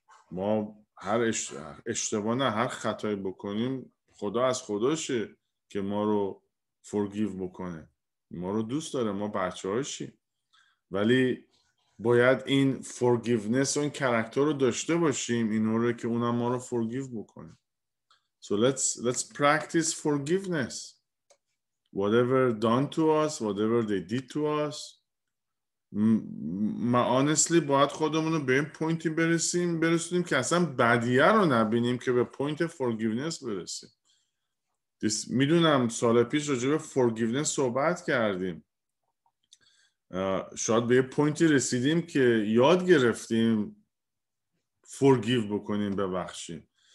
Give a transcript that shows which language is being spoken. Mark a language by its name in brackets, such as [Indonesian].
[Persian] ما هر اشتباه نه هر خطایی بکنیم، خدا از خداشه که ما رو فورگیو بکنه، ما رو دوست داره، ما بچه‌هاشی. ولی باید این فورگیونس و این کاراکتر رو داشته باشیم این اوره که اونم ما رو فورگیو بکنه. [English] So let's practice forgiveness. Whatever done to us, whatever they did to us. [Persian] ما honestly باید خودمون رو به این پوینتی برسونیم که اصلا بدیه رو نبینیم که به پوینت فورگیونس برسیم. میدونم سال پیش راجع به فورگیونس صحبت کردیم، شاید به یه پوینتی رسیدیم که یاد گرفتیم فورگیو بکنیم، ببخشیم.